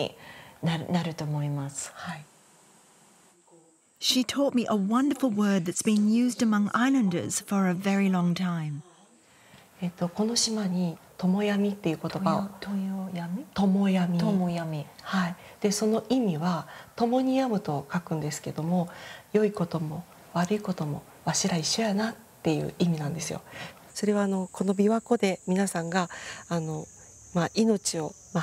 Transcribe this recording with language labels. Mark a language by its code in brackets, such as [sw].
[ja] もう混んでな。100何十回来てます。で、ここへ来て、大手のこういうみんなグループ、楽しみになる。一番今年取ってる人は90歳ですけど、90歳でスクワットを20回するんですけど、私も多分スクワットを20回はできないと思います。これは多分もう日本全体の素晴らしい手本になると思います。はい。 [en] She taught me a wonderful word that's been used among islanders for a very long time. [ja] この島に共闇っていうことが。共闇。はい。で、その意味は共に病むと書くんですけども、良いことも悪いこともわしら一緒やなっていう意味なんですよ。それは、この琵琶湖で皆さんが、命を